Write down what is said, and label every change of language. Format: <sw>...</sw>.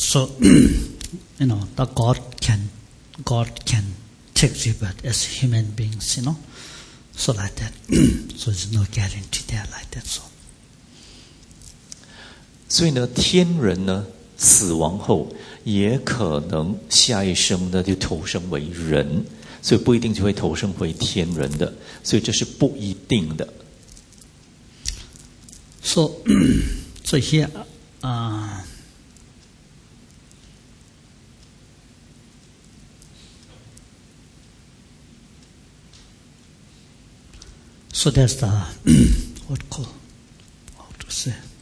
<en>So, you know, the God can take rebirth as human beings. You know, so like that. So there's no guarantee there like that. So.</en> <zh>所以呢，天人呢死亡后也可能下一生呢就投生为人，所以不一定就会投生回天人的，所以这是不一定的。</zh> <en>So here, so there's the what call how to say.</en>